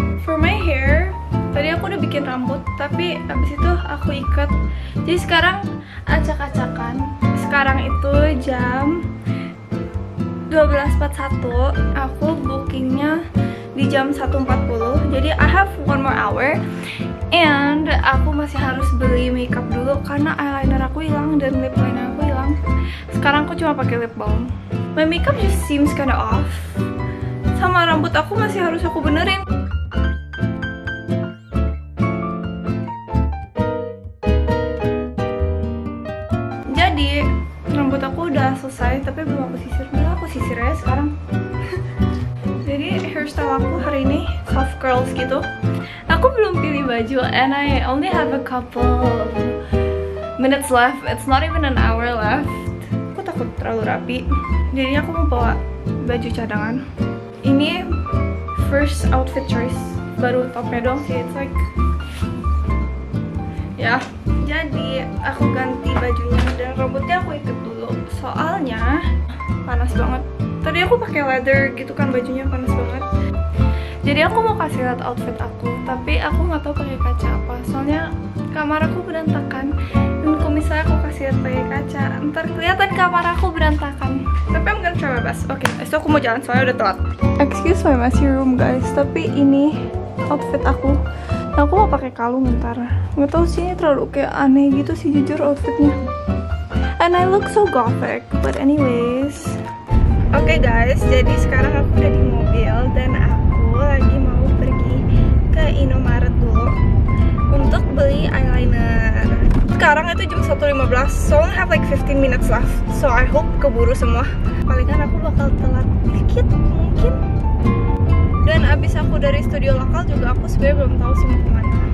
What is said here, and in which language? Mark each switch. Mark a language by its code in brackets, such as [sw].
[id] For my hair, tadi aku udah bikin rambut, tapi abis itu aku ikat. Jadi sekarang acak-acakan. Sekarang itu jam 12.41. Aku bookingnya di jam 1.40. Jadi [en] I have one more hour. [id] And aku masih harus beli makeup dulu karena eyeliner aku hilang dan lip liner aku hilang. Sekarang aku cuma pakai lip balm. [en] My makeup just seems kinda off. [id] Sama rambut aku masih harus aku benerin. Jadi rambut aku udah selesai tapi belum aku sisir. Sisir aja sekarang. Jadi hairstyle aku hari ini soft curls gitu. [en] Aku belum pilih baju and I only have a couple minutes left. It's not even an hour left. Aku takut terlalu rapi. [id] Jadi aku mau bawa baju cadangan. Ini first outfit choice. Baru topnya doang sih. It's like yeah. Jadi aku ganti bajunya dan rambutnya aku ikat dulu. Soalnya panas banget. Tadi aku pakai leather gitu kan, bajunya panas banget. Jadi aku mau kasih lihat outfit aku, tapi aku nggak tahu pakai kaca apa. Soalnya kamar aku berantakan. Dan kalau misalnya aku kasih lihat pakai kaca, ntar kelihatan kamar aku berantakan. [en] Tapi I'm gonna try my best. [id] Oke, okay, so aku mau jalan soalnya udah telat. [en] Excuse my messy room guys, tapi ini outfit aku. [id] Nah, aku mau pakai kalung ntar. Nggak tahu sih, ini terlalu kayak aneh gitu sih jujur outfitnya. [en] And I look so gothic, but anyways. [id] Okay guys, jadi sekarang aku udah di mobil dan aku lagi mau pergi ke Indomaret dulu untuk beli eyeliner. [en] Sekarang itu jam 1.15, so I have like 15 minutes left. So I hope keburu semua. [id] Palingan aku bakal telat dikit mungkin. Dan abis aku dari studio lokal juga aku sebenarnya belum tahu sih mau kemana.